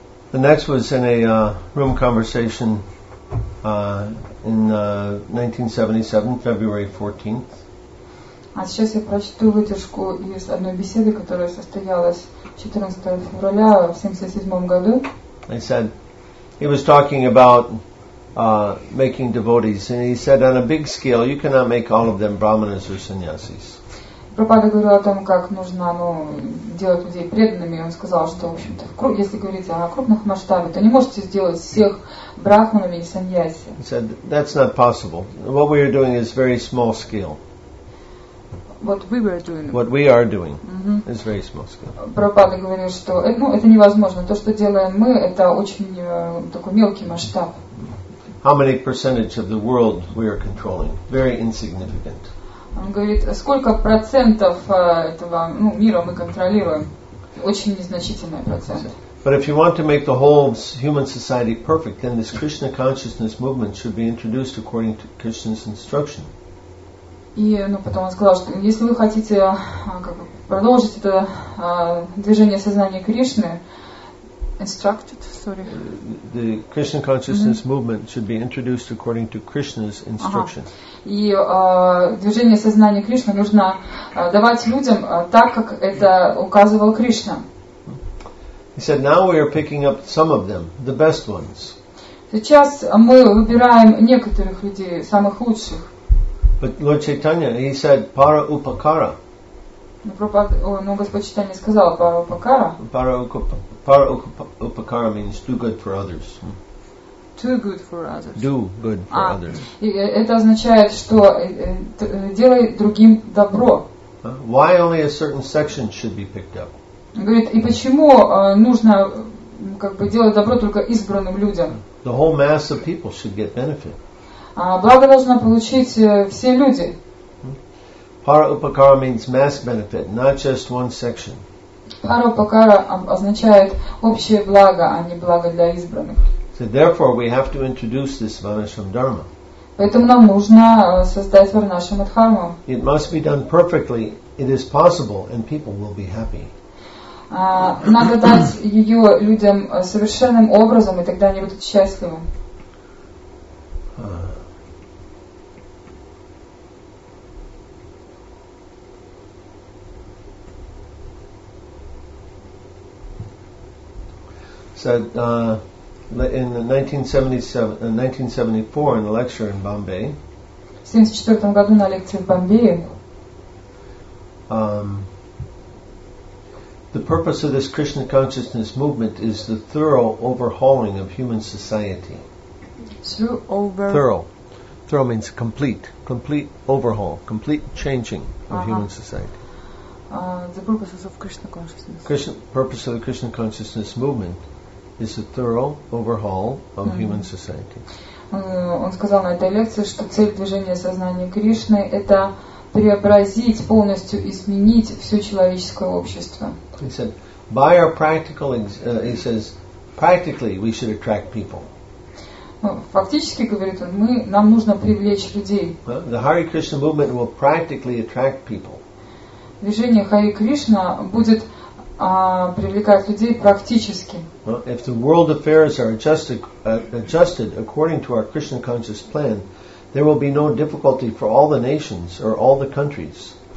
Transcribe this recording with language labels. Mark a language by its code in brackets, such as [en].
[en] The next was in a room conversation in 1977, February 14th. I said, he was talking about making devotees, and he said, on a big scale, you cannot make all of them brahmanas or sannyasis. [ru] Пропада говорил о том, как нужно делать людей преданными, и он сказал, что, в общем-то, если говорить о крупных масштабах, то не можете сделать всех брахманами и саньяси. [en] He said, that's not possible. What we are doing is very small scale. What we are doing is very small scale. [ru] Пропада говорил, что это невозможно. То, что делаем мы, это очень такой мелкий масштаб. [en] How many percentage of the world we are controlling? Very insignificant. [ru] Он говорит, сколько процентов этого мира мы контролируем? Очень незначительный процент. [en] But if you want to make the whole human society perfect, then this Krishna consciousness movement should be introduced according to Krishna's instruction. [ru] И потом он сказал, что если вы хотите продолжить это движение сознания Кришны, [en] The Krishna consciousness movement should be introduced according to Krishna's instruction. [ru] И движение сознания Кришны нужно давать людям так, как это указывал Кришна. [en] He said, "Now we are picking up some of them, the best ones." [ru] Сейчас мы выбираем некоторых людей, самых лучших. [en] But Lord Chaitanya, he said, "Para upakara." [ru] Но Господь Читание сказал пара упакара. [en] Пара упакара means do good for others. Do good for others. Do good for others. [ru] Это означает, что делай другим добро. [en] Why only a certain section should be picked up? [ru] Говорит, и почему нужно делать добро только избранным людям? [en] The whole mass of people should get benefit. [ru] Благо должно получить все люди. [en] Para upakara means mass benefit, not just one section. [ru] Para upakara означает общее благо, а не благо для избранных. [en] So therefore, we have to introduce this Varnashram Dharma. [ru] Поэтому нам нужно создать Варнашрам Дхарму. [en] It must be done perfectly. It is possible, and people will be happy. [ru] Надо дать ее людям совершенным образом, и тогда они будут счастливы. [en] Said in 1974 in a lecture in Bombay. [ru] 74 году на лекции в Бомбее. [en] The purpose of this Krishna consciousness movement is the thorough overhauling of human society. Thorough means complete overhaul, complete changing of human society. The purposes of Krishna consciousness. Purpose of the Krishna consciousness movement. Is a thorough overhaul of human society. [ru] Он сказал на этой лекции, что цель движения сознания Кришны это преобразить полностью, изменить все человеческое общество. [en] He said, by our practical, he says, practically we should attract people. [ru] Фактически говорит он, нам нужно привлечь людей. [en] The Hare Krishna movement will practically attract people. [ru] Движение Хари Кришна будет привлекать людей практически. [en] Well, if the world affairs are adjusted according to our Krishna conscious plan, there will be no difficulty for all the nations or all the countries.